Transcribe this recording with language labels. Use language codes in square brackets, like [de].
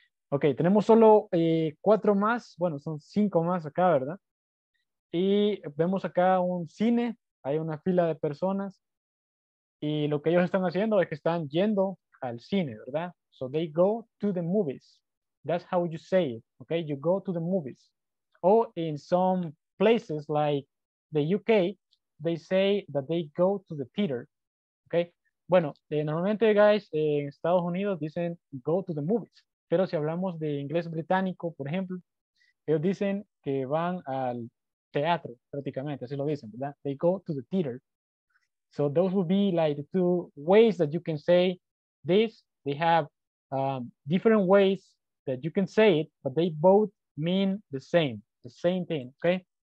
[es] Ok, tenemos solo cuatro más, bueno, son cinco más acá, ¿verdad? Y vemos acá un cine, hay una fila de personas y lo que ellos están haciendo es que están yendo al cine, ¿verdad? [en] So they go to the movies. That's how you say it, okay? You go to the movies. Or in some places like the UK, they say that they go to the theater, okay? [es] Bueno, normalmente, guys, en Estados Unidos dicen [en] go to the movies. [es] Pero si hablamos de inglés británico, por ejemplo, ellos dicen que van al teatro, prácticamente. Así lo dicen, ¿verdad? [en] They go to the theater. So those would be like the two ways that you can say this. They have different ways that you can say it, but they both mean the same thing, okay?